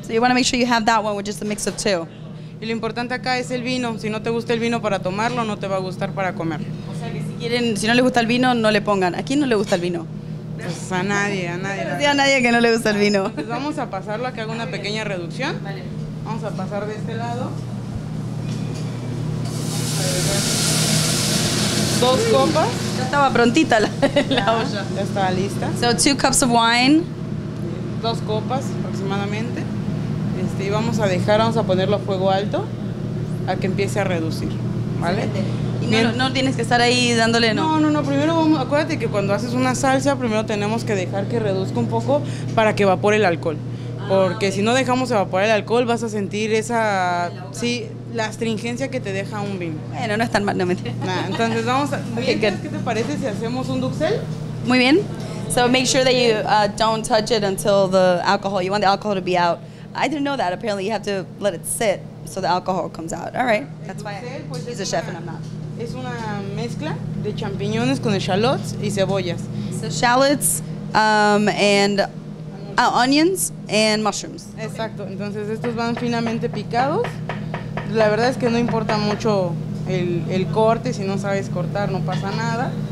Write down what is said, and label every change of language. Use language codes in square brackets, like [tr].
[en] So you want to make sure you have that one, which is a mix of two. [es] Y lo importante acá es el vino. Si no te gusta el vino para tomarlo, no te va a gustar para comer. O sea, que si quieren, si no les gusta el vino, no le pongan. ¿A quién no le gusta el vino? Pues a nadie. A nadie que no le gusta el vino. Entonces vamos a pasarlo a que haga una pequeña reducción. Vale. Vamos a pasar de este lado. Dos copas. Ya estaba prontita la olla. Ya estaba lista. [en] So, two cups of wine. [es] Dos copas aproximadamente. Y vamos a dejar, vamos a ponerlo a fuego alto a que empiece a reducir. ¿Vale? Y no tienes que estar ahí dándole, ¿no? No. Primero, vamos, acuérdate que cuando haces una salsa, primero tenemos que dejar que reduzca un poco para que evapore el alcohol. Porque si no dejamos evaporar el alcohol, vas a sentir esa... Sí, la astringencia que te deja un vino. Bueno, no es tan mal, no me entiendes. Entonces vamos a... Okay, ¿qué te parece si hacemos un duxel? Muy bien. [en] So make sure that you don't touch it until the alcohol... You want the alcohol to be out. I didn't know that. Apparently you have to let it sit so the alcohol comes out. All right. That's why he's a chef and I'm not. [es] Es una mezcla de champiñones con eschalots y cebollas. [en] So shallots and... onions and mushrooms. [es] Exacto. Okay. Entonces estos van finamente picados. La verdad es que no importa mucho el corte, si no sabes cortar no pasa nada.